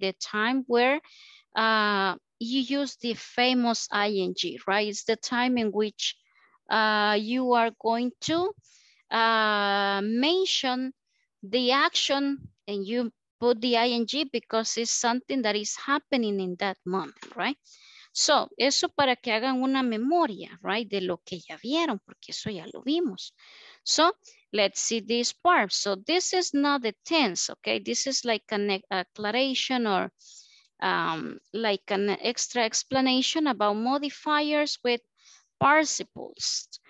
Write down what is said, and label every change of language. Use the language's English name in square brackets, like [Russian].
[English] The time where you use the famous ing, right? It's the time in which you are going to mention the action and you put the ing because it's something that is happening in that moment, right? [Spanish] So, eso para que hagan una memoria, right? De lo que ya vieron, porque eso ya lo vimos. [English] So, let's see this part. So, this is not the tense, okay? This is like an aclaration or like an extra explanation about modifiers with participles.